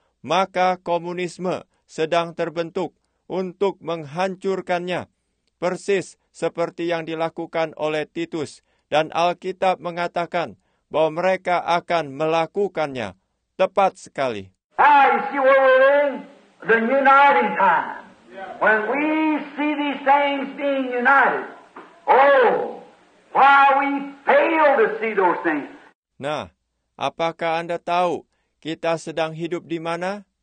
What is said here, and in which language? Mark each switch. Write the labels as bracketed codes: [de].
[id] Maka komunisme sedang terbentuk untuk menghancurkannya. persis seperti yang dilakukan oleh Titus, dan Alkitab mengatakan bahwa mereka akan melakukannya tepat sekali. [en] Ah, you see where we're in? The uniting time. When we see these things being united, oh, why we fail to see those things. [id] Nah, apakah Anda tahu kita sedang hidup di mana?